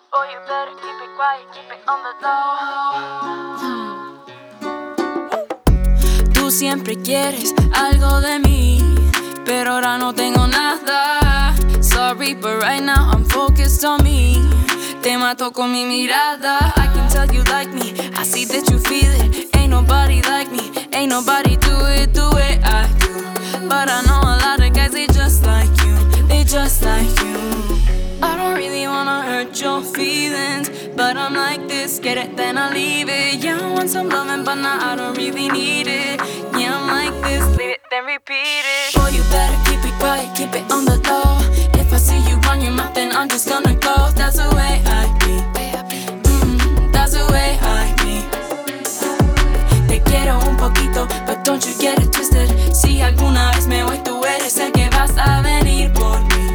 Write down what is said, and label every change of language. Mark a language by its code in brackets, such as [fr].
[en] you better keep it quiet, keep it on the low. [es] Tú siempre quieres algo de mí, pero ahora no tengo nada. [en] Sorry, but right now I'm focused on me. [es] Te mato con mi mirada. [en] I can tell you like me, I see that you feel it. Ain't nobody like me, ain't nobody do it the way I do. But I know a lot of guys, they just like you, they just like you. I don't really wanna hurt your feelings, but I'm like this, get it, then I leave it. Yeah, I want some loving, but nah, I don't really need it. Yeah, I'm like this, leave it, then repeat it. Boy, you better keep it quiet, keep it on the low. If I see you on your mouth, then I'm just gonna go. That's the way I be, that's the way I be. [es] Te quiero un poquito, [en] but don't you get it twisted. [es] Si alguna vez me voy, tú eres el que vas a venir por mí.